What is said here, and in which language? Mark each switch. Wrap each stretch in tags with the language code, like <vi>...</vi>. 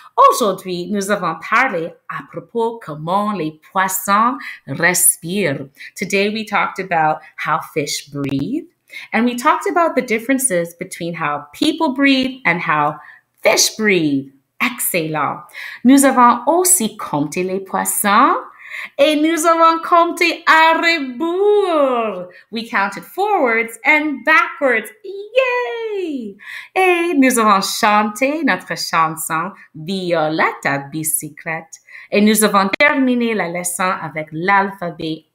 <fr>Aujourd'hui, nous avons parlé à propos comment les poissons respirent.</fr> <en>Today we talked about how fish breathe. And we talked about the differences between how people breathe and how fish breathe. Excellent.</en> <fr>Nous avons aussi compté les poissons et nous avons compté à rebours.</fr> <en>We counted forwards and backwards. Yay!</en> <fr>Et nous avons chanté notre chanson Violette à bicyclette. Et nous avons terminé la leçon avec l'alphabet</fr>